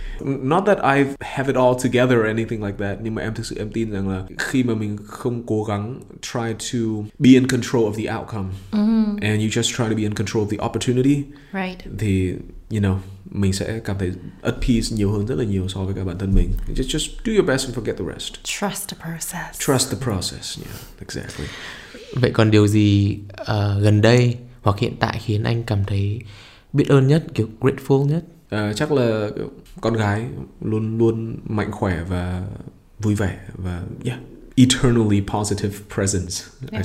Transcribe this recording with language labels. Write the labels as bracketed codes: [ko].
[en] Not that I have it all together or anything like that, [vi] nhưng mà em thực sự em tin rằng là khi mà mình không cố gắng [en] try to be in control of the outcome and you just try to be in control of the opportunity, right, [vi] thì you know mình sẽ cảm thấy [en] at peace [vi] nhiều hơn rất là nhiều so với cả bản thân mình. [en] Just do your best and forget the rest. Trust the process. Yeah, exactly. [vi] Vậy còn điều gì gần đây hoặc hiện tại khiến anh cảm thấy biết ơn nhất, kiểu grateful nhất? Chắc là con gái luôn luôn mạnh khỏe và vui vẻ và yeah, [en] eternally positive presence yeah.